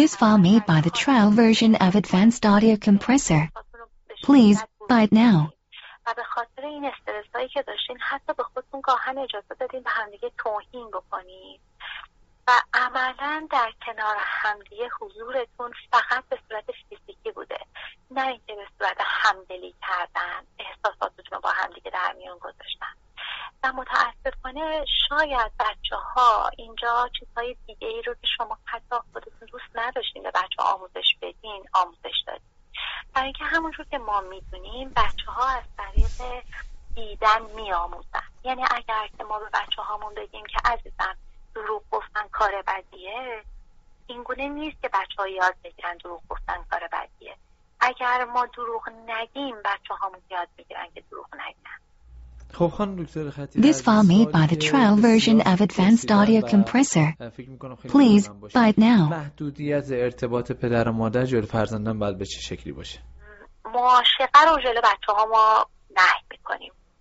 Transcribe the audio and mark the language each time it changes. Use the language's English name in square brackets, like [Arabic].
[English] This file made by the trial version of Advanced Audio Compressor. Please buy it now. [Persian] و به خاطر این استرس هایی که داشتین حتی به خودتون گاهن اجازه دادین به همدیگه توهین بکنین و عملا در کنار همدیگه حضورتون فقط به صورت فیزیکی بوده، نه اینکه به صورت همدلی کردن احساساتتون رو با همدیگه در میان گذاشتن. و متاسفانه شاید بچه ها اینجا چیزهای دیگه ای رو که شما حتی خودتون دوست نداشتین به بچه آموزش بدین آموزش دادین. برای اینکه همونجور که ما میدونیم بچه ها از طریق دیدن میآموزن. یعنی اگر که ما به بچه هامون بگیم که عزیزم دروغ گفتن کار بدیه، اینگونه نیست که بچه ها یاد بگیرن دروغ گفتن کار بدیه. اگر ما دروغ نگیم بچه هامون یاد بگیرن که دروغ نگن. خب خانم دکتر خطیب، [English] This file made by the trial version of Advanced Audio Compressor. Please buy it now. [Persian] محدودیت ارتباط پدر و مادر جلو فرزندان باید به چه شکلی باشه؟ معاشقه رو جلو بچه ها ما نهی میکنیم.